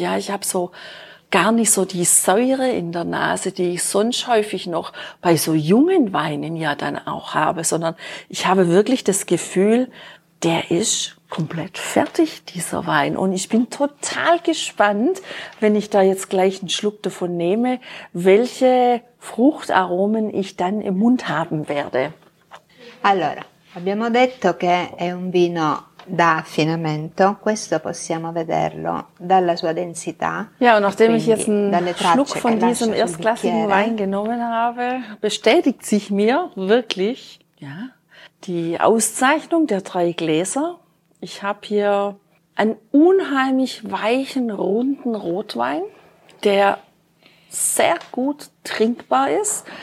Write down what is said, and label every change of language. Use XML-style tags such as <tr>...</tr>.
<de>Ja, ich habe so gar nicht so die Säure in der Nase, die ich sonst häufig noch bei so jungen Weinen ja dann auch habe, sondern ich habe wirklich das Gefühl, der ist komplett fertig, dieser Wein. Und ich bin total gespannt, wenn ich da jetzt gleich einen Schluck davon nehme, welche Fruchtaromen ich dann im Mund haben werde.</de> <it>Allora, abbiamo detto che è un vino da affinamento. Questo possiamo vederlo dalla sua densità.</it> <de>Ja, und nachdem ich jetzt einen Schluck von diesem erstklassigen Wein genommen habe, bestätigt sich mir wirklich, ja, die Auszeichnung der 3 Gläser. Ich habe hier einen unheimlich weichen, runden Rotwein, der sehr gut trinkbar ist.</de>